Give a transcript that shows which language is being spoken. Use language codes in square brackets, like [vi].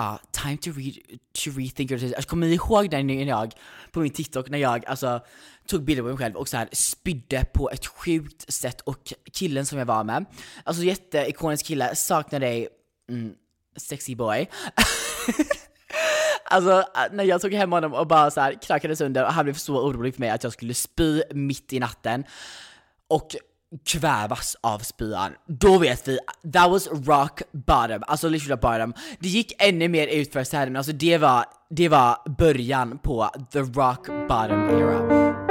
[en] Time to rethink. [sv] Alltså, kommer ni ihåg den när jag på min TikTok, när jag alltså tog bilder på mig själv och så här spydde på ett sjukt sätt, och killen som jag var med, alltså jätteikonisk kille, saknar dig, sexy boy. Alltså när jag tog hem honom och bara så här krackade sönder, och han blev så orolig för mig att jag skulle spy mitt i natten och kvävas av spyan. Då vet vi, [en] that was rock bottom. [sv] Alltså [en] literally bottom. [sv] Det gick ännu mer ut för sig här, men alltså det var början på [en] the rock bottom era.